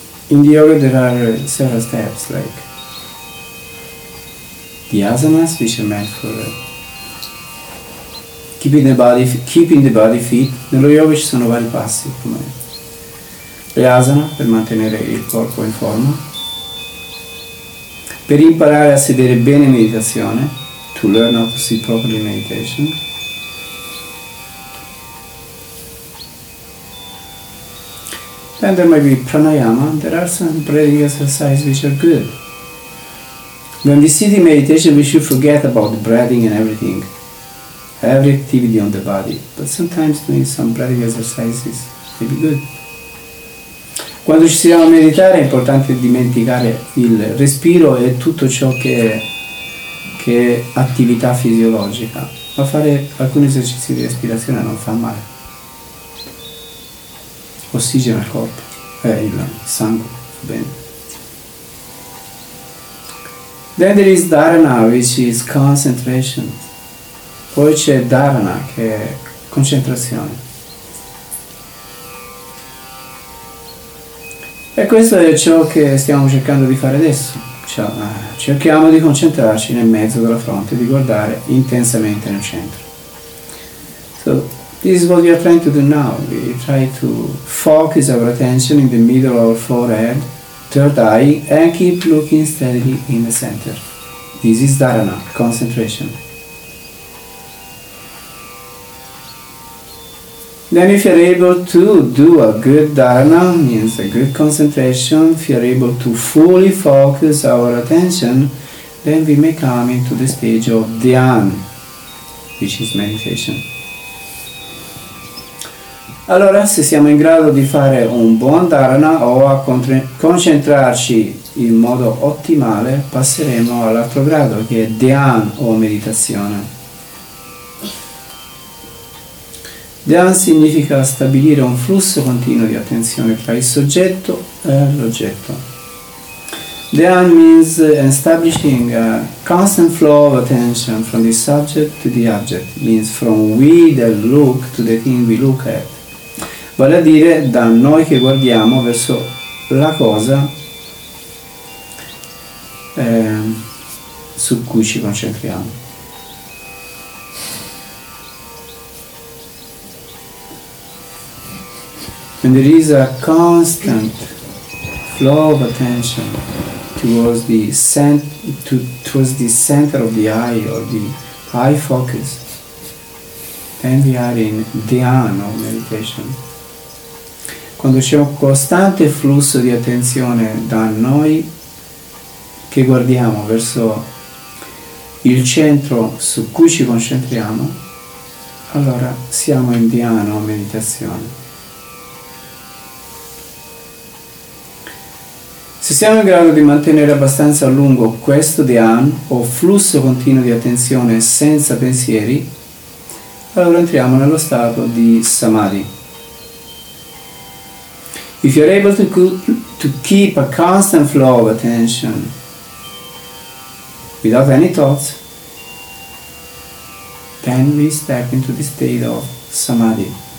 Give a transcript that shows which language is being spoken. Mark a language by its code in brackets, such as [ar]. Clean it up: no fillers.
[en] In the yoga there are several steps, like the asanas, which are meant for keeping the body fit. [it] Nello yoga ci sono vari passi, come le asana, per mantenere il corpo in forma, per imparare a sedere bene in meditazione, [en] to learn how to sit properly in meditation, then there might be pranayama. There are some breathing exercises which are good. When we sit in meditation, we should forget about the breathing and everything, every activity on the body. But sometimes doing some breathing exercises may be good. [it] Quando ci stiamo a meditare, è importante dimenticare il respiro e tutto ciò che è attività fisiologica. Ma fare alcuni esercizi di respirazione non fa male. Ossigeno al corpo, il sangue, bene. [en] Then there is dharana, which is concentration. [it] Poi c'è dharana, che è concentrazione. E questo è ciò che stiamo cercando di fare adesso. Cioè, cerchiamo di concentrarci nel mezzo della fronte, di guardare intensamente nel centro. [en] So, this is what we are trying to do now. We try to focus our attention in the middle of our forehead, third eye, and keep looking steadily in the center. This is dharana, concentration. Then if you are able to do a good dharana, means a good concentration, if you are able to fully focus our attention, then we may come into the stage of dhyana, which is meditation. [it] Allora, se siamo in grado di fare un buon dharana o a concentrarci in modo ottimale, passeremo all'altro grado, che è dhyan o meditazione. Dhyan significa stabilire un flusso continuo di attenzione tra il soggetto e l'oggetto. [en] Dhyan means establishing a constant flow of attention from the subject to the object, means from we that look to the thing we look at. [it] Vale a dire da noi che guardiamo verso la cosa su cui ci concentriamo. [en] When there is a constant flow of attention towards the center of the eye or the eye focus, then we are in dhyana of meditation. [it] Quando c'è un costante flusso di attenzione da noi che guardiamo verso il centro su cui ci concentriamo, allora siamo in dhyana o meditazione. Se siamo in grado di mantenere abbastanza a lungo questo dhyana o flusso continuo di attenzione senza pensieri, allora entriamo nello stato di samadhi. [en] If you're able to keep a constant flow of attention without any thoughts, then we step into the state of Samadhi.